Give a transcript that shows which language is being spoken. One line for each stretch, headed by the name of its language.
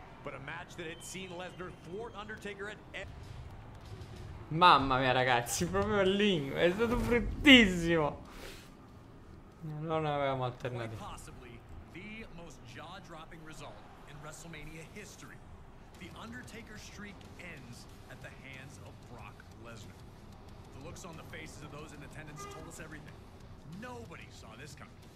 English: But a match that had seen Lesnar thwart Undertaker at...
Italian: Mamma mia ragazzi, proprio il link, è stato bruttissimo. Non avevamo alternative.
English: Possibly the most jaw-dropping result in WrestleMania history. The Undertaker streak ends at the hands of Brock Lesnar. The looks on the faces of those in attendance told us everything. Nobody saw this coming.